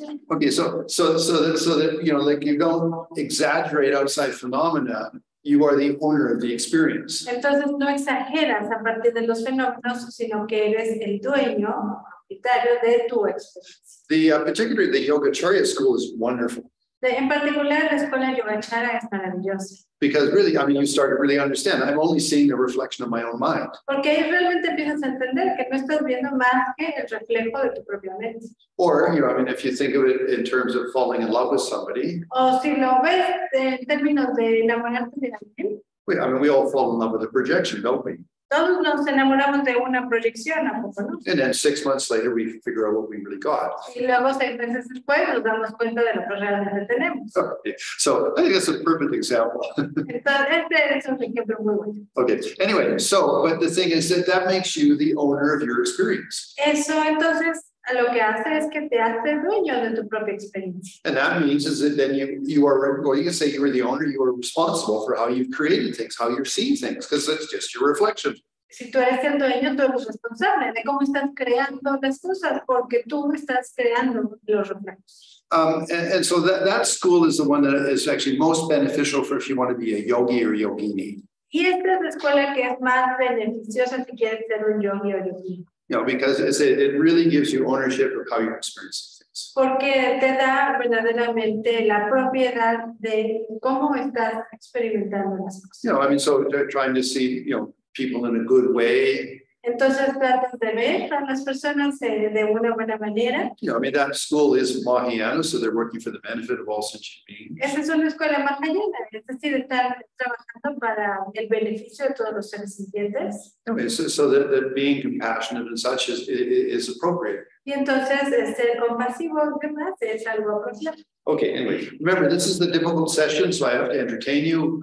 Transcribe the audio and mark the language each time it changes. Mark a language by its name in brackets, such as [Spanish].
[English] Okay, so that you know, like you don't exaggerate outside phenomena, you are the owner of the experience. [Spanish] Entonces no exageras a partir de los fenómenos, sino que eres el dueño propietario de tu experiencia. [English] Particularly the Yogacharya school is wonderful. [Spanish] En particular, la escuela Yogacara es maravillosa. [English] Because really, I mean, you start to really understand. I'm only seeing the reflection of my own mind. [Spanish] Porque ahí realmente empiezas a entender que no estás viendo más que el reflejo de tu propia mente. [English] Or, you know, I mean, if you think of it in terms of falling in love with somebody. [Spanish] O si lo ves en términos de enamorarte de alguien. [English] I mean, we all fall in love with a projection, don't we? [Spanish] Todos nos enamoramos de una proyección, ¿a poco no? [English] And then 6 months later, we figure out what we really got. [Spanish] Y luego 6 meses después, nos damos cuenta de lo que realmente tenemos. [English] Okay. So I think that's a perfect example. [Spanish] Entonces, es un ejemplo muy bueno. [English] Okay. Anyway, so, but the thing is that makes you the owner of your experience. [Spanish] Eso, entonces, lo que hace es que te hace dueño de tu propia experiencia. [English] And that means is that then you are, well, you can say you are the owner, you are responsible for how you've created things, how you're seeing things, because that's just your reflection. [Spanish] Si tú eres el dueño, tú eres responsable de cómo estás creando las cosas, porque tú estás creando los reflejos. [English] And so that school is the one that is actually most beneficial for if you want to be a yogi or yogini. [Spanish] Y esta es la escuela que es más beneficiosa si quieres ser un yogi o yogini. [English] You know, because it really gives you ownership of how you're experiencing things. [Spanish] Porque te da verdaderamente la propiedad de cómo estás experimentando las cosas. [English] You know, I mean, so they're trying to see, you know, people in a good way. [Spanish] Entonces tratas de ver a las personas de una buena manera. [English] You know, I mean, that school is Mahayana, so they're working for the benefit of all sentient beings. [Spanish] Esa es una escuela Mahayana, es decir, están trabajando para el beneficio de todos los seres sintientes. [English] Okay, so that being compassionate and such is appropriate. [Spanish] Y entonces ser compasivo, ¿qué más? Es algo apropiado. [English] Okay, anyway, remember, this is the difficult session, so I have to entertain you.